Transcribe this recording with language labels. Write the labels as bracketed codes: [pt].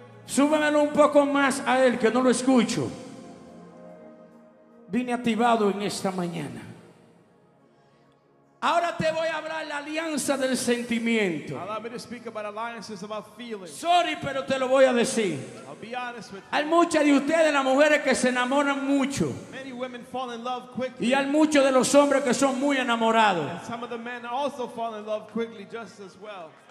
[es] Súbemelo un poco más a él que no lo escucho. Vine activado en esta mañana. Ahora te voy a hablar la alianza del sentimiento. [en] Allow me to speak about alliances, about feelings. [es] Sorry, pero te lo voy a decir. [en] I'll be honest with you. [es] Hay muchas de ustedes, las mujeres, que se enamoran mucho. [en] Many women fall in love quickly. [es] Y hay muchos de los hombres que son muy enamorados. [en] And some of the men also fall in love quickly, just as well.